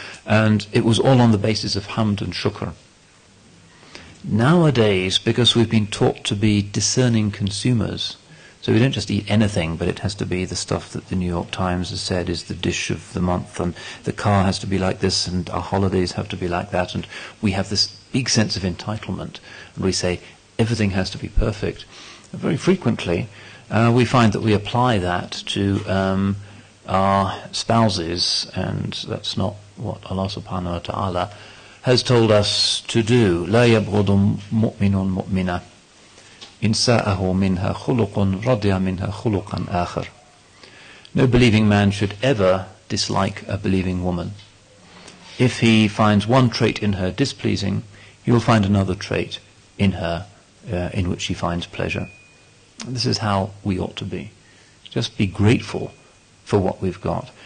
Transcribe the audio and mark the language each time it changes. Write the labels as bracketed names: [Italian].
[English] And it was all on the basis of hamd and shukr. Nowadays, because we've been taught to be discerning consumers, so we don't just eat anything, but it has to be the stuff that the New York Times has said is the dish of the month, and the car has to be like this, and our holidays have to be like that, and we have this big sense of entitlement, and we say everything has to be perfect. Very frequently, we find that we apply that to our spouses, and that's not what Allah subhanahu wa ta'ala has told us to do. [Arabic] لا يبغض مؤمن مؤمنا إن ساءه منها خلق رضي منها خلقا آخر. [English] No believing man should ever dislike a believing woman. If he finds one trait in her displeasing, he will find another trait in her in which he finds pleasure. And this is how we ought to be. Just be grateful for what we've got.